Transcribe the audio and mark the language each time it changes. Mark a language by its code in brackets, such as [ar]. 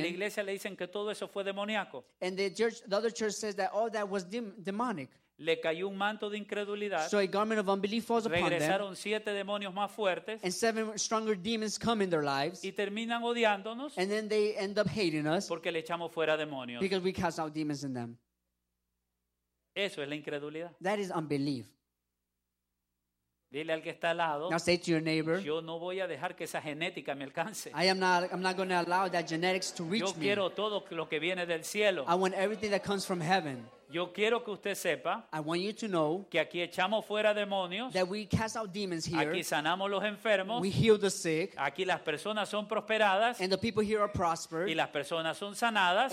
[es] y la iglesia le dicen que todo eso fue demoníaco, [en] and the other church says that all that was demonic. [es] Le cayó un manto de incredulidad. [en] So a garment of unbelief falls upon [es] regresaron Regresaron siete demonios más fuertes. [en] And seven stronger demons come in their lives. [es] Y terminan odiándonos. [en] And then they end up hating us. [es] Porque le echamos fuera demonios. [en] Because we cast out demons in them. [es] Eso es la incredulidad. [en] That is unbelief. [es] Dile al que está al lado. [en] Now say to your neighbor. [es] Yo no voy a dejar que esa genética me alcance. [en] I'm not going to allow that genetics to reach me. [es] Yo quiero todo lo que viene del cielo. [en] I want everything that comes from heaven. [es] Yo quiero que usted sepa. [en] I want you to know. [es] Que aquí echamos fuera demonios. [en] That we cast out demons here. [es] Aquí sanamos los enfermos. [en] We heal the sick. [es] Aquí las personas son prosperadas. [en] And the people here are prospered. [es] Y las personas son sanadas.